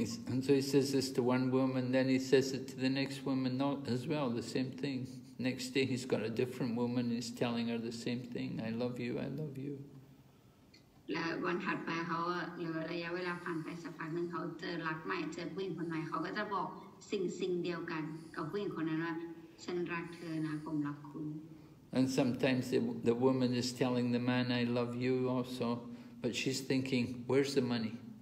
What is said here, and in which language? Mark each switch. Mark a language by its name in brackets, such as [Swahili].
[English] And so he says this to one woman then he says it to the next woman not as well the same thing next day he's got a different woman and he's telling her the same thing I love you [Thai] แล้ววันถัดไปเขาหรือระยะเวลาผ่านไปสักพักนึงเขาเจอรักใหม่เจอผู้หญิงคนใหม่เขาก็จะบอกสิ่งเดียวกันกับผู้หญิงคนนั้นว่าฉันรักเธอนะผมรักคุณ [English] And sometimes the woman is telling the man, I love you also, but she's thinking, where's the money?